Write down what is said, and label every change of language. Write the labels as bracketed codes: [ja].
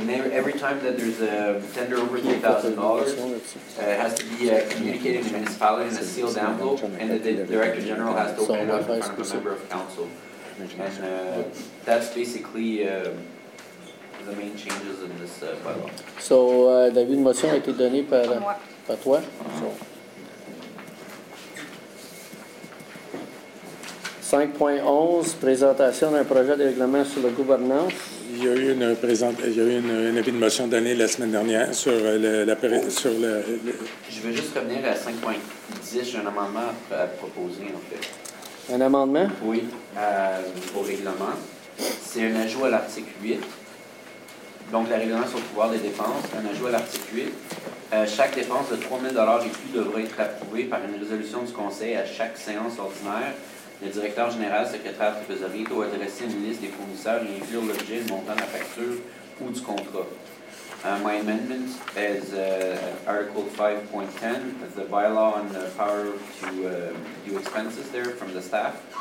[en] And every time that there's a tender over $3,000, it has to be communicated to the municipality in a sealed envelope, and the director general has to open up in front of a member of council. And that's basically the main changes in this bylaw. [fr] So, David, une motion a été donnée par, par toi. So. 5.11, présentation d'un projet de règlement sur la gouvernance. Il y a eu une présentation, il y a eu une avis de motion donnée la semaine dernière sur le. Je veux juste revenir à 5.10, j'ai un amendement à proposer, en fait. Un amendement? Oui, au règlement. C'est un ajout à l'article 8. Donc, le règlement sur le pouvoir des dépenses, un ajout à l'article 8. Chaque dépense de 3 000 $ et plus devrait être approuvée par une résolution du conseil à chaque séance ordinaire. Le directeur général, secrétaire, trésorier, doit adresser une liste des fournisseurs et inclure l'objet, le montant de la facture ou du contrat. [en] My amendment is Article 5.10, the bylaw on the power to do expenses there from the staff.